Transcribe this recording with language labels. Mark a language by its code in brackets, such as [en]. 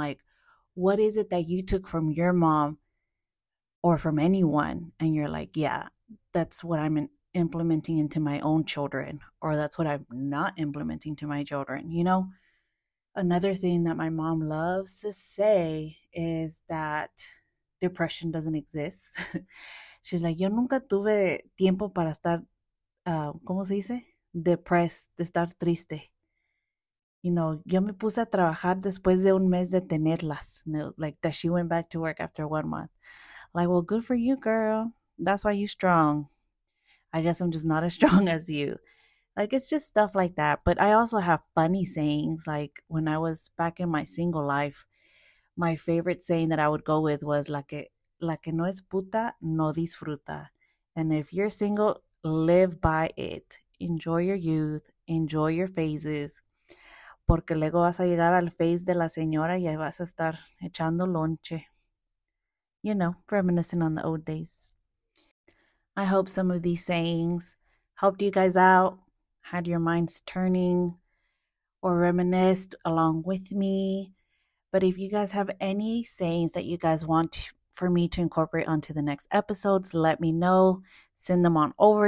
[en] Like, what is it that you took from your mom or from anyone? And you're like, yeah, that's what I'm implementing into my own children, or that's what I'm not implementing to my children. Another thing that my mom loves to say is that depression doesn't exist. She's like, [es] yo nunca tuve tiempo para estar, ¿cómo se dice? [en] Depressed, [es] de estar triste. Yo me puse a trabajar después de un mes de tenerlas. [en] Like that she went back to work after 1 month. Like, well, good for you, girl. That's why you're strong. I guess I'm just not as strong as you. Like, it's just stuff like that. But I also have funny sayings. Like, when I was back in my single life, my favorite saying that I would go with was [es] la que no es puta, no disfruta. [en] And if you're single, live by it. Enjoy your youth. Enjoy your phases. [es] Porque luego vas a llegar al phase de la señora y ahí vas a estar echando lonche. [en] Reminiscing on the old days. I hope some of these sayings helped you guys out, had your minds turning, or reminisced along with me. But if you guys have any sayings that you guys want for me to incorporate onto the next episodes, let me know. Send them on over.